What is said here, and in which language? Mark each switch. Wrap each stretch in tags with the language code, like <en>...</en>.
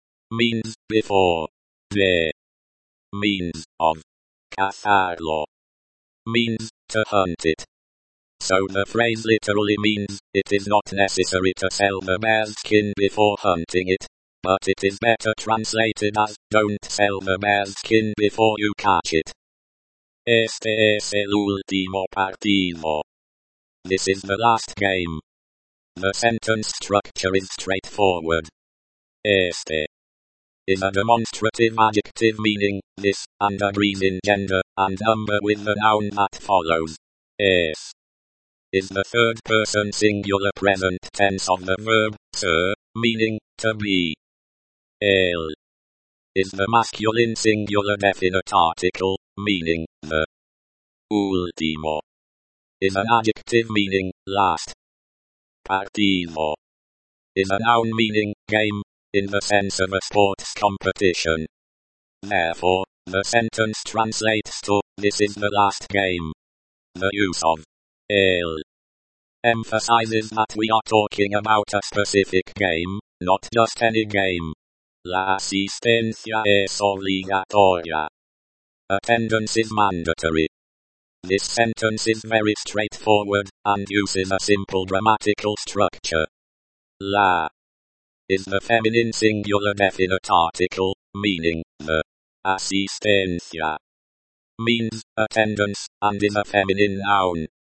<en>Means, before. De. Means, of. Cazarlo. Means, to hunt it. So the phrase literally means, it is not necessary to sell the bear's skin before hunting it, but it is better translated as, don't sell the mare's skin before you catch it.</en> <es>Este es el último partido.</es> <en>This is the last game. The sentence structure is straightforward. Este is a demonstrative adjective meaning this, and agrees in gender and number with the noun that follows. Es is the third person singular present tense of the verb ser, meaning to be. El is the masculine singular definite article, meaning the. Último is an adjective meaning last. Partido is a noun meaning game, in the sense of a sports competition. Therefore, the sentence translates to, this is the last game. The use of el emphasizes that we are talking about a specific game, not just any game.</en> <es>La asistencia es obligatoria.</es> <en>Attendance is mandatory. This sentence is very straightforward, and uses a simple grammatical structure. La is the feminine singular definite article, meaning the. Asistencia means attendance, and is a feminine noun.</en>